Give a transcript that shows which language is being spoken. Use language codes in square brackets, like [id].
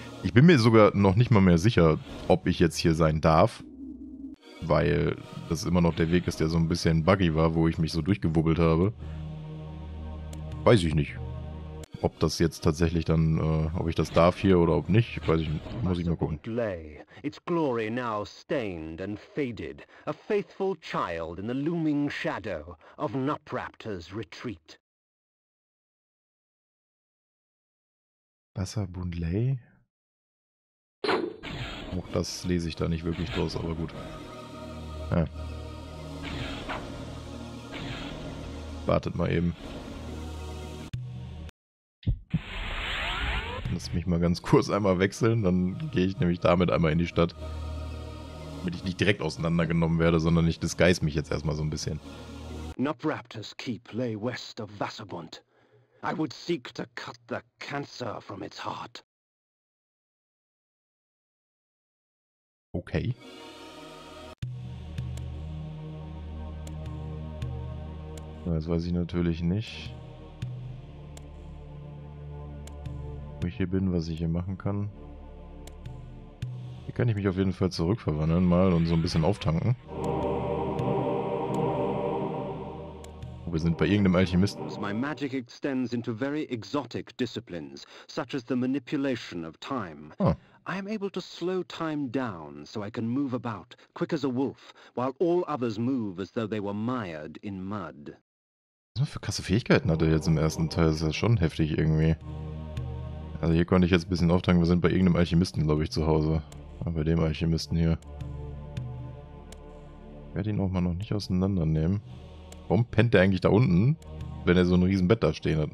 [de] Ich bin mir sogar noch nicht mal mehr sicher, ob ich jetzt hier sein darf, weil das immer noch der Weg ist, der so ein bisschen buggy war, wo ich mich so durchgewubbelt habe. Weiß ich nicht, ob das jetzt tatsächlich dann, ob ich das darf hier oder ob nicht, weiß ich nicht, muss ich mal gucken. [en] Its glory now stained and faded, a faithful child in the looming shadow of Nutraptor's retreat. [de] Wasserbundlay? Auch das lese ich da nicht wirklich draus, aber gut. Ja. Wartet mal eben. Lass mich mal ganz kurz einmal wechseln, dann gehe ich nämlich damit einmal in die Stadt. Damit ich nicht direkt auseinandergenommen werde, sondern ich disguise mich jetzt erstmal so ein bisschen. [en] Nutraptor's Keep lay west of Wasserbund. I would seek to cut the cancer from its heart. Okay. [de] Das weiß ich natürlich nicht. Ich hier bin, was ich hier machen kann. Hier kann ich mich auf jeden Fall zurückverwandeln mal und so ein bisschen auftanken. Wir sind bei irgendeinem Alchemisten. [en] My magic extends into very exotic disciplines, such as the manipulation of time. I am able to slow time down, so I can move about quick as a wolf, while all others move as though they were mired in mud. [de] Was für krasse Fähigkeiten hat er jetzt im ersten Teil? Das ist ja schon heftig irgendwie. Also hier konnte ich jetzt ein bisschen auftanken, wir sind bei irgendeinem Alchemisten, glaube ich, zu Hause. Aber bei dem Alchemisten hier. Ich werde ihn auch mal noch nicht auseinandernehmen. Warum pennt der eigentlich da unten, wenn er so ein riesen Bett da stehen hat?